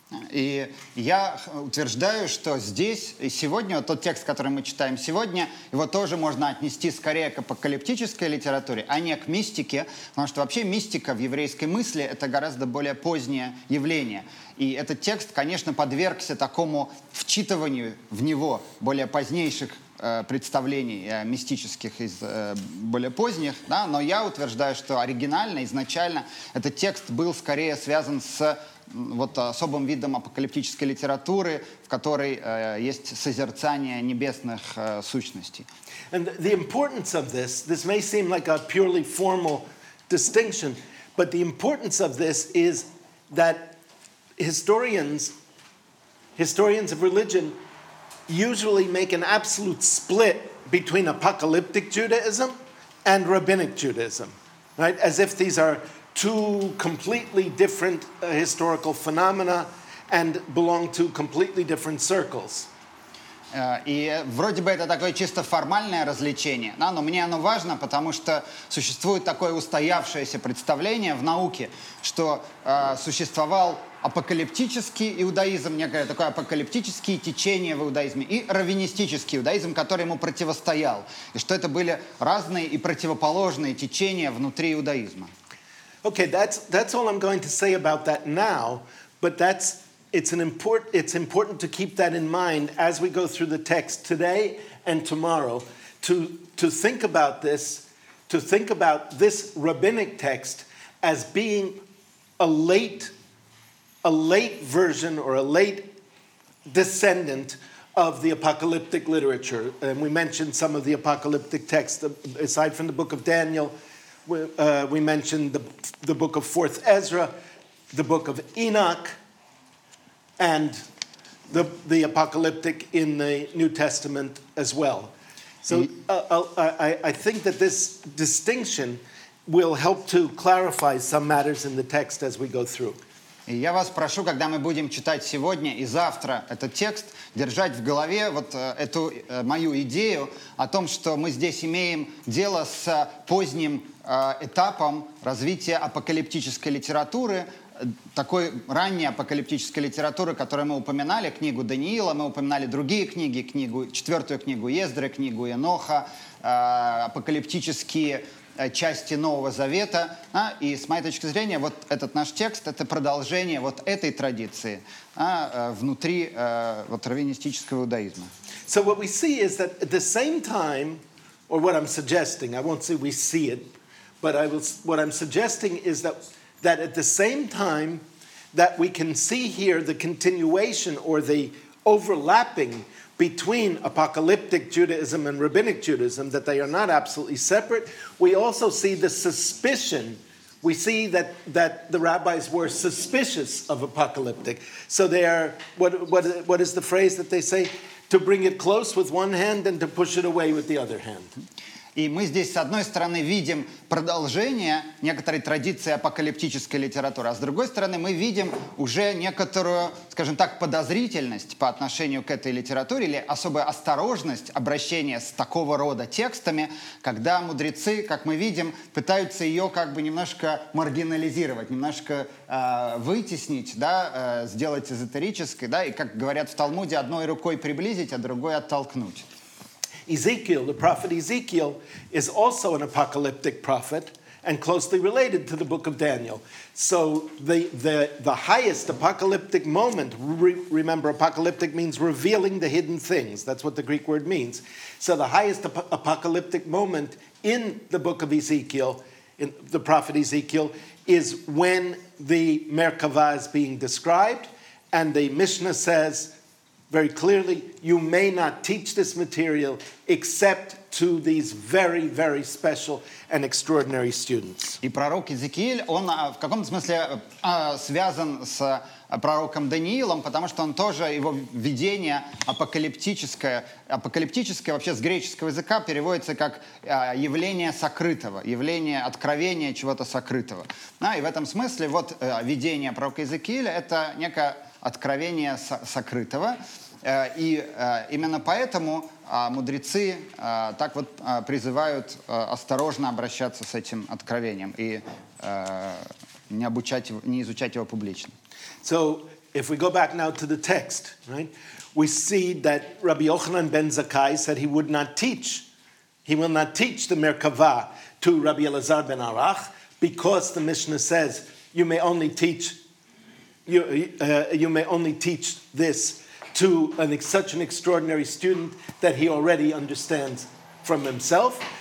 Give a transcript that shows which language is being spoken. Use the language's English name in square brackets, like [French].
[Russian] И я утверждаю, что здесь и сегодня вот тот текст, который мы читаем сегодня, его тоже можно отнести скорее к апокалиптической литературе, а не к мистике, потому что вообще мистика в еврейской мысли — это гораздо более позднее явление. И этот текст, конечно, подвергся такому вчитыванию в него более позднейших представлений мистических из более поздних, да, но я утверждаю, что оригинально, изначально этот текст был скорее связан с вот особым видом апокалиптической литературы, в которой есть созерцание небесных сущностей. [English] And the importance of this may seem like a purely formal distinction, but the importance of this is that historians of religion usually make an absolute split between apocalyptic Judaism and rabbinic Judaism, right? As if these are two completely different historical phenomena and belong to completely different circles. [Russian] И вроде бы это такое чисто формальное развлечение, да, но мне оно важно, потому что существует такое устоявшееся представление в науке, что существовал апокалиптический иудаизм, некое такое апокалиптические течения в иудаизме, и раввинистический иудаизм, который ему противостоял, и что это были разные и противоположные течения внутри иудаизма. [English] Okay, that's all I'm going to say about that now, but it's important to keep that in mind as we go through the text today and tomorrow to think about this rabbinic text as being a late version or a late descendant of the apocalyptic literature. And we mentioned some of the apocalyptic texts aside from the book of Daniel. We mentioned the book of 4th Ezra, the book of Enoch, and the apocalyptic in the New Testament as well. So I think that this distinction will help to clarify some matters in the text as we go through. [Russian] И я вас прошу, когда мы будем читать сегодня и завтра этот текст, держать в голове вот эту мою идею о том, что мы здесь имеем дело с поздним этапом развития апокалиптической литературы, такой ранней апокалиптической литературы, которую мы упоминали, книгу Даниила, мы упоминали другие книги, книгу, четвертую книгу Ездры, книгу Еноха, апокалиптические части Нового Завета. А, и с моей точки зрения, вот этот наш текст — это продолжение вот этой традиции внутри вот раввинистического иудаизма. [English] So what we see is that at the same time, or what I'm suggesting, I won't say we see it, but what I'm suggesting is that at the same time that we can see here the continuation or the overlapping between apocalyptic Judaism and rabbinic Judaism, that they are not absolutely separate, we also see the suspicion. We see that the rabbis were suspicious of apocalyptic. So they are, what is the phrase that they say? To bring it close with one hand and to push it away with the other hand. [Russian] И мы здесь, с одной стороны, видим продолжение некоторой традиции апокалиптической литературы, а с другой стороны, мы видим уже некоторую, скажем так, подозрительность по отношению к этой литературе или особую осторожность обращения с такого рода текстами, когда мудрецы, как мы видим, пытаются ее как бы немножко маргинализировать, немножко вытеснить, да, сделать эзотерической, да, и, как говорят в Талмуде, одной рукой приблизить, а другой оттолкнуть. [English] Ezekiel, the prophet Ezekiel, is also an apocalyptic prophet and closely related to the book of Daniel. So the highest apocalyptic moment, remember apocalyptic means revealing the hidden things, that's what the Greek word means. So the highest apocalyptic moment in the book of Ezekiel, in the prophet Ezekiel, is when the Merkava is being described, and the Mishnah says, very clearly, you may not teach this material except to these very, very special and extraordinary students. [Russian] И пророк Иезекииль, он в каком-то смысле связан с пророком Даниилом, потому что он тоже, его видение апокалиптическое вообще с греческого языка переводится как явление сокрытого, явление откровения чего-то сокрытого. Да, и в этом смысле вот видение пророка Иезекииля — это некое откровение сокрытого. И именно поэтому мудрецы так вот призывают осторожно обращаться с этим откровением и не обучать, не изучать его публично. [English] So, if we go back now to the text, right, we see that Rabbi Yochanan ben Zakkai said he would not teach, he will not teach the Merkava to Rabbi Elazar ben Arach, because the Mishnah says you may only teach, you may only teach this to such an extraordinary student that he already understands from himself.